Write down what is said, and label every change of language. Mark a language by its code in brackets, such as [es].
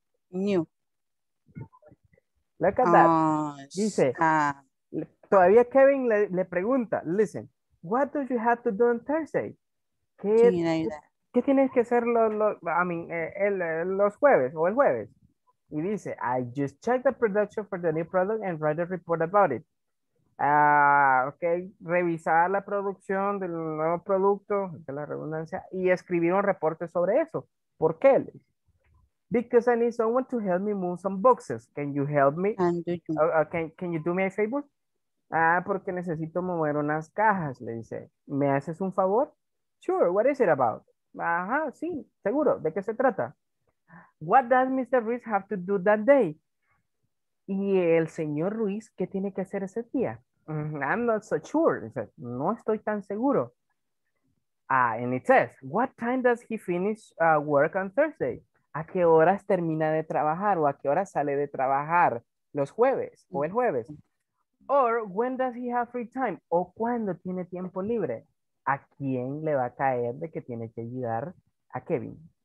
[en] new. Look at that. [es] Dice, todavía Kevin le pregunta, [en] listen, what do you have to do on Thursday? [es] ¿Qué tienes que hacer los jueves o el jueves? Y dice, [en] I just checked the production for the new product and write a report about it. [es] Okay, revisar la producción del nuevo producto, de la redundancia, y escribir un reporte sobre eso. ¿Por qué? [en] Because I need someone to help me move some boxes. Can you help me? Can you do me a favor? [es] Porque necesito mover unas cajas, le dice. ¿Me haces un favor? [en] Sure, what is it about? [es] Ajá, sí, seguro. ¿De qué se trata? [en] What does Mr. Ruiz have to do that day? [es] ¿Y el señor Ruiz qué tiene que hacer ese día? [en] I'm not so sure. [es] Dice, no estoy tan seguro. [en] And it says, what time does he finish work on Thursday? [es] ¿A qué horas termina de trabajar o a qué horas sale de trabajar? ¿Los jueves o el jueves? [en] Or when does he have free time? [es] ¿O cuándo tiene tiempo libre? ¿A quién le va a caer de que tiene que ayudar a Kevin?